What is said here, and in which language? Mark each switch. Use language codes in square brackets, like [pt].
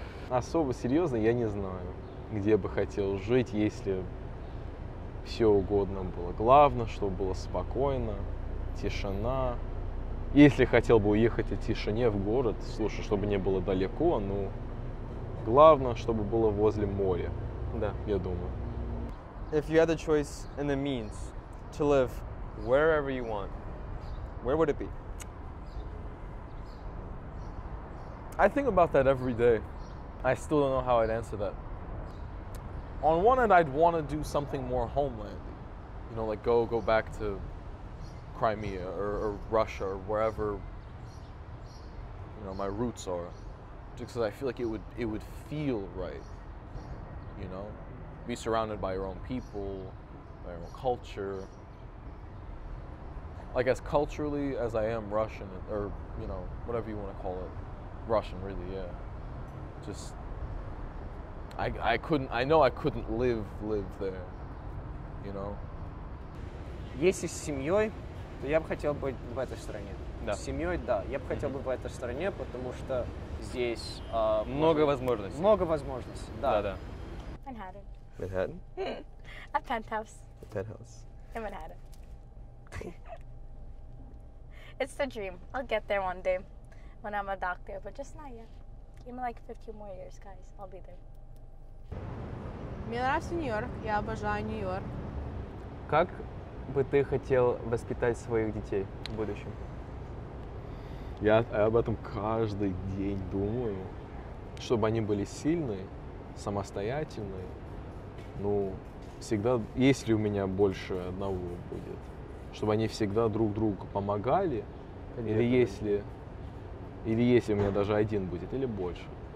[ru] Особо серьезно, я не знаю. Где бы хотел жить, если все угодно было. Главное, чтобы было спокойно, тишина. Если хотел бы уехать в тишине в город, слушай, чтобы не было далеко, ну, главное, чтобы было возле моря. Да, я думаю. [en] If you had the choice and the means to live wherever you want, where would it be? I think about that every day. I still don't know how I'd answer that. On one end, I'd want to do something more homeland, you know, like go back to Crimea or Russia or wherever, you know, my roots are, just because I feel like it would feel right, you know, be surrounded by your own people, by your own culture, like as culturally as I am Russian or, you know, whatever you want to call it, Russian really, yeah, just... I know I couldn't live there, you know. [ru] Если с семьей, то я бы хотел быть в этой стране. Да. С семьей, да. Я бы хотел быть в этой стране, потому что здесь много возможностей. Много возможностей. Да. Да. Манхэттен. Манхэттен. [en] A penthouse. A penthouse. In Manhattan. It's the dream. I'll get there one day, when I'm a doctor. But just not yet. Give me like 15 more years, guys. I'll be there. [ru] Мне нравится Нью-Йорк, я обожаю Нью-Йорк. Как бы ты хотел воспитать своих детей в будущем? Я об этом каждый день думаю. Чтобы они были сильные, самостоятельные, ну, всегда, если у меня больше одного будет, чтобы они всегда друг другу помогали, или если у меня даже один будет, или больше.